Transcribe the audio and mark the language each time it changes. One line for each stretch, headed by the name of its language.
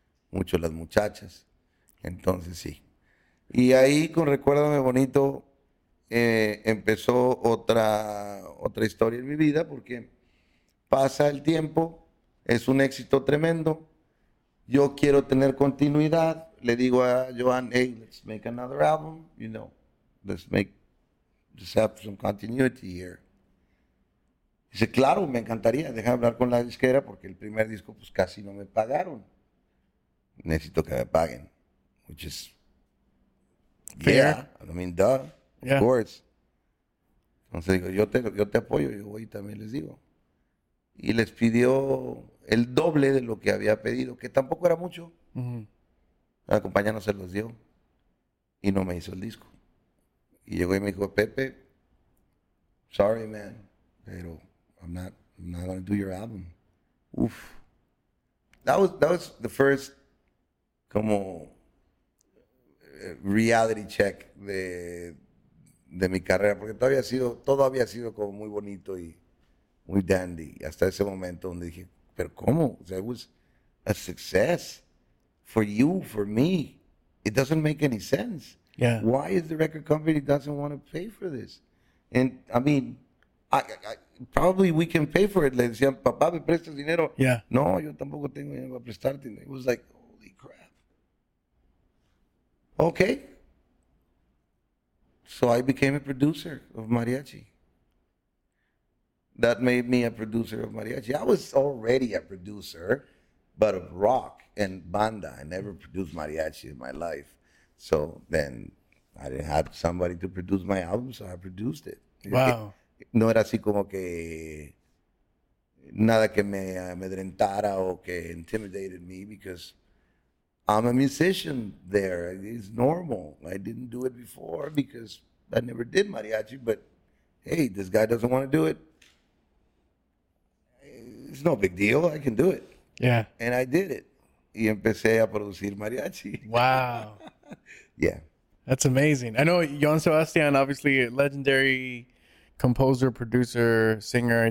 Spanish: Mucho las muchachas. Entonces, sí. Y ahí, con Recuérdame Bonito, empezó otra historia en mi vida, porque pasa el tiempo, es un éxito tremendo. Yo quiero tener continuidad.
English: Le digo a Joan, hey, let's make another album. You know, let's make just have some continuity here.
Spanish: Dice, claro, me encantaría. Deja hablar con la disquera porque el primer disco pues casi no me pagaron. Necesito que me paguen.
English: Which is, yeah, I mean, duh, yeah, of course.
Spanish: Entonces digo, yo te apoyo, yo voy y también les digo. Y les pidió el doble de lo que había pedido, que tampoco era mucho. Mm-hmm. La compañía no se los dio y no me hizo el disco.
English: Y llegó y me dijo, Pepe, sorry, man, pero I'm not going to do your album. Uf.
Spanish: That was the first, como, reality check de mi carrera, porque todo había sido como muy bonito y muy dandy hasta ese momento donde dije, pero cómo, that was a success for you, for me, it doesn't make any sense.
English: Yeah, why is the record company doesn't want to pay for this? And I mean, I probably we can pay for it. Le decían, papá, me prestas dinero. Yeah,
Spanish: no, yo tampoco tengo dinero para prestarte.
English: It was like, holy crap. Okay. So I became a producer of Mariachi. That made me a producer of Mariachi. I was already a producer, but of rock and banda. I never produced Mariachi in my life. So then I didn't have somebody to produce my album, so I produced it. Wow.
Spanish: No era así como que nada que me amedrentara o que intimidated me, because I'm a musician there. It's normal.
English: I didn't do it before because I never did mariachi, but hey, this guy doesn't want to do it. It's no big deal. I can do it. Yeah. And I did it.
Spanish: Y empecé a producir mariachi.
English: Wow. Yeah. That's amazing. I know Joan Sebastian, obviously a legendary composer, producer, singer.